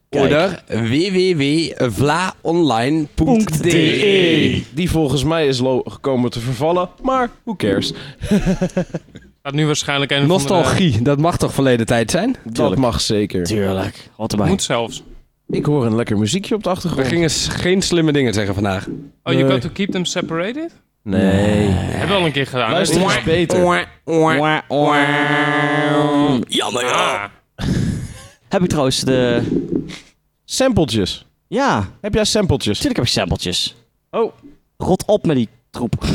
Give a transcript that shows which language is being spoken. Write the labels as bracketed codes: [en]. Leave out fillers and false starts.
[nl] Oder www.vlaonline.de. Die volgens mij is gekomen te vervallen, maar [en] who cares? [nl] Gaat nu waarschijnlijk een nostalgie, dat mag toch verleden tijd zijn? Tuurlijk. Dat mag zeker. Tuurlijk. Wat erbij. Moet zelfs. Ik hoor een lekker muziekje op de achtergrond. We gingen geen slimme dingen zeggen vandaag. [en] Oh, nee. You got to keep them separated? [nl] Nee. Nee. Hebben we al een keer gedaan. Luister eens beter. Jammer. Ja. Heb ik trouwens de... Sampletjes. Ja. Heb jij sampletjes? Tuurlijk heb ik sampletjes. Oh. Rot op met die troep.